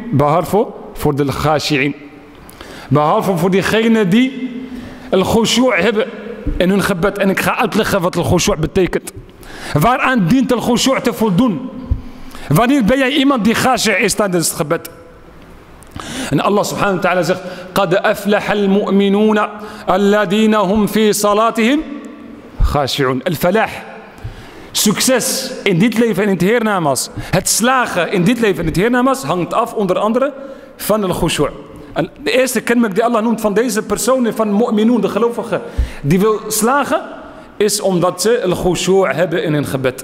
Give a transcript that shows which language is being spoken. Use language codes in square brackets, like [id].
[nl] Behalve voor de khashi'in. Behalve voor diegenen die een khushu' hebben in hun gebed. En ik ga uitleggen wat een khushu' betekent. Waaraan dient een khushu' te voldoen? Wanneer ben jij iemand die khashi is tijdens het gebed? En Allah subhanahu wa ta'ala zegt: [ar] قد أفلح المؤمنون الذين هم في صلاتهم خاشعون. [nl] الفلاح, succes in dit leven en in het hiernamaas, het slagen in dit leven en in het hiernamaas hangt af onder andere van de khushu'. En de eerste kenmerk die Allah noemt van deze personen, van mu'minun, de gelovigen die wil slagen, is omdat ze de khushu' hebben in hun gebed.